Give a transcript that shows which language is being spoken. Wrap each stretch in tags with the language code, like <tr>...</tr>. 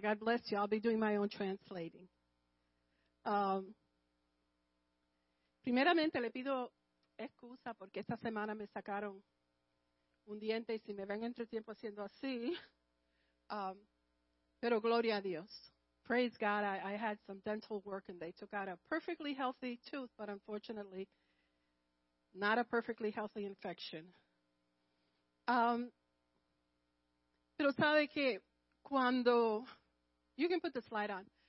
<en>God bless you. I'll be doing my own translating.</en> <es>Primeramente, le pido excusa porque esta semana me sacaron un diente y si me ven entre tiempo haciendo así, pero gloria a Dios.</es> <en>Praise God, I had some dental work and they took out a perfectly healthy tooth, but unfortunately, not a perfectly healthy infection.</en> <es>Pero sabe que cuando,</es> <en>you can put the slide on.</en>